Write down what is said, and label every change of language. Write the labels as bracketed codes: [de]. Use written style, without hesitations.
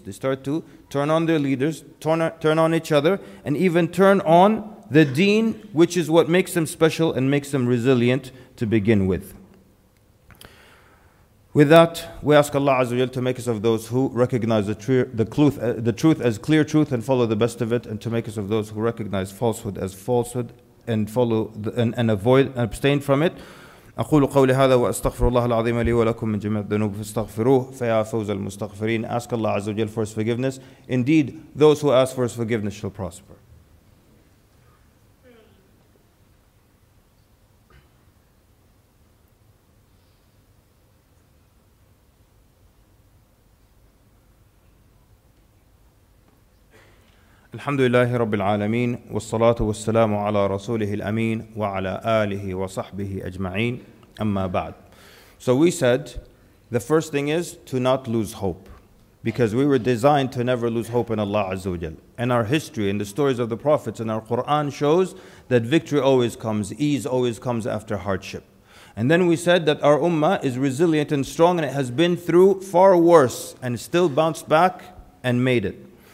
[en] They start to turn on their leaders, turn on each other, and even turn on the deen, which is what makes them special and makes them resilient to begin with. With that, we ask Allah Azza wa Jalla to make us of those who recognize the truth as clear truth and follow the best of it, and to make us of those who recognize falsehood as falsehood and follow and avoid and abstain from it. [ar] أقول قولي هذا وأستغفر الله العظيم لي ولكم من جميع الذنوب فاستغفروه فيا فوز المستغفرين. [en] Ask Allah Azza wa Jalla for His forgiveness. Indeed, those who ask for His forgiveness shall prosper. [ar] الحمد لله رب العالمين والصلاة والسلام على رسوله الأمين وعلى آله وصحبه أجمعين أما بعد. [en] So we said, the first thing is to not lose hope. Because we were designed to never lose hope in Allah Azza wa Jal. And our history and the stories of the prophets and our Quran shows that victory always comes, ease always comes after hardship. And then we said that our ummah is resilient and strong and it has been through far worse and still bounced back and made it.